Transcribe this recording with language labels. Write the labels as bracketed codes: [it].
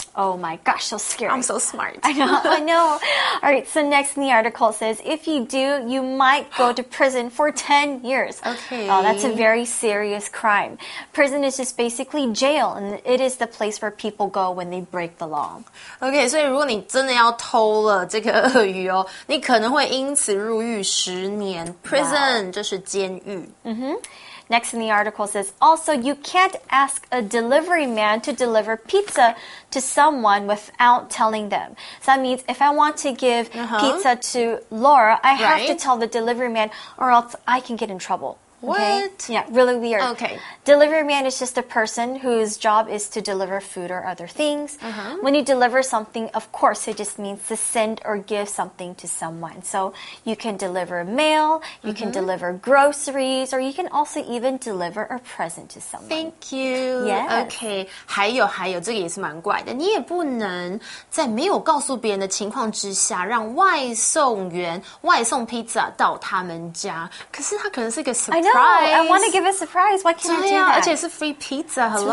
[en] Oh my gosh, so scary. I'm so smart. I know. All right, so next in the article says, if you do, you might go to prison for 10 years. Okay. Oh, that's a very serious crime. Prison is just basically jail, and it is the place where people go when they break the law. [zh] Okay, 所以如果你真的要偷了这个鳄鱼哦，你可能会因此入狱十年。 Prison, 就是监狱。 [en] Next in the article says, also, you can't ask a delivery man to deliver pizza to someone without telling them. So that means if I want to give pizza to Laura, I have to tell the delivery man or else I can get in trouble. What? Okay? Yeah, really weird. Okay. Delivery man is just a person whose job is to deliver food or other things. When you deliver something, of course, it just means to send or give something to someone. So you can deliver mail, you can deliver groceries, or you can also even deliver a present to someone. Thank you. Yes. Okay. [zh] 还有，这个也是蛮怪的。你也不能在没有告诉别人的情况之下让外送员外送 pizza 到他们家。可是他可能是一个 [en] I know. I want to give a surprise. Why can't I do that? [zh] 而且是 [en] free pizza. [zh] Hello.